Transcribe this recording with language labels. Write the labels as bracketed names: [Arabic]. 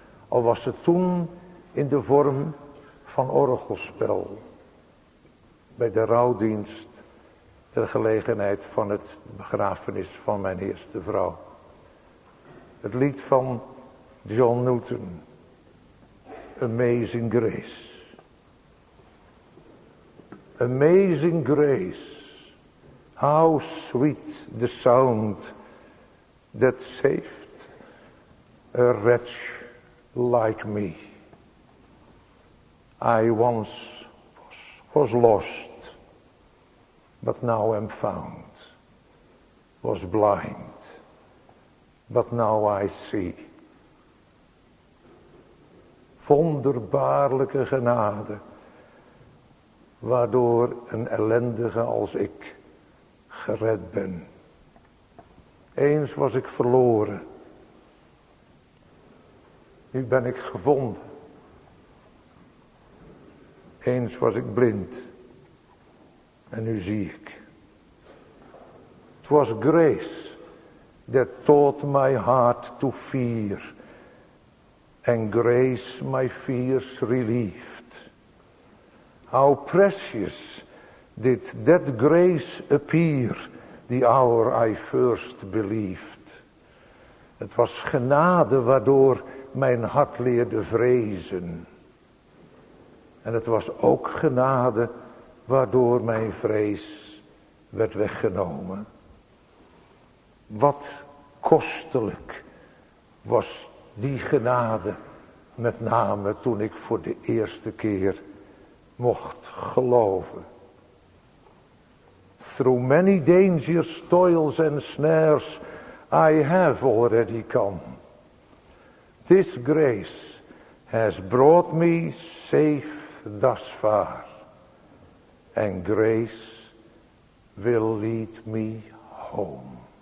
[Dutch] Al was het toen in de vorm van orgelspel. Bij de rouwdienst ter gelegenheid van het begrafenis van mijn eerste vrouw. Het lied van John Newton, Amazing Grace. [English] Amazing Grace, how sweet the sound that saved A wretch like me. I once was lost, but now am found. Was blind, but now I see. [Dutch] Wonderbaarlijke genade, waardoor een ellendige als ik gered ben. Eens was ik verloren, nu ben ik gevonden. Eens was ik blind en nu zie ik. [English] It was grace that taught my heart to fear, and grace my fears relieved. How precious did that grace appear the hour I first believed. [Dutch] Het was genade waardoor mijn hart leerde vrezen. En het was ook genade waardoor mijn vrees werd weggenomen. Wat kostelijk was die genade, met name toen ik voor de eerste keer mocht geloven. [English] Through many dangers, toils and snares, I have already come. This grace has brought me safe thus far, and grace will lead me home.